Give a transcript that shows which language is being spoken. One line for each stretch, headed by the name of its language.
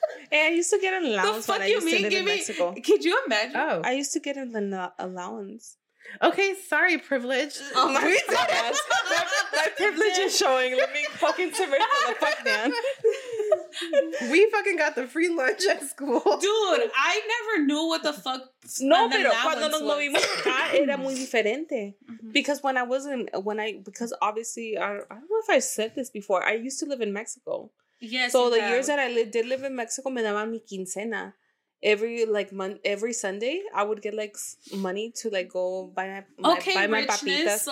English: Hey, I used to get an allowance when I used to live in Mexico. Could you imagine? Oh. I used to get an allowance. Okay, sorry, privilege. Oh, my God. My privilege is showing. Let me fucking submit for the fuck, man. We fucking got the free lunch at school. Dude, I never knew what the fuck.
Spanish: No, pero cuando nos movimos acá era muy diferente. Mm-hmm.
English: Because because obviously, I don't know if I said this before, I used to live in Mexico. Yes. So the years that I did live in Mexico,
Spanish: me daban mi quincena.
English: Every, like, month, every Sunday, I would get, like, money to, like, go buy my papitas.